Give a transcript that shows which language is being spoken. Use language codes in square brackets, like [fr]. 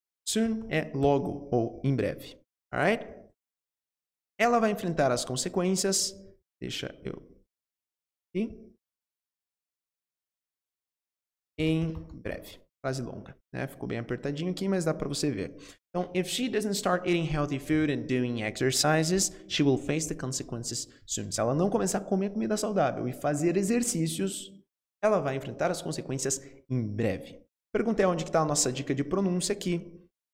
[pt] Soon é logo ou em breve, alright? Ela vai enfrentar as consequências, deixa eu aqui, em breve. Frase longa, né? Ficou bem apertadinho aqui, mas dá pra você ver. [en] Então, if she doesn't start eating healthy food and doing exercises, she will face the consequences soon. [pt] Se ela não começar a comer comida saudável e fazer exercícios, ela vai enfrentar as consequências em breve. Perguntei onde que tá a nossa dica de pronúncia aqui.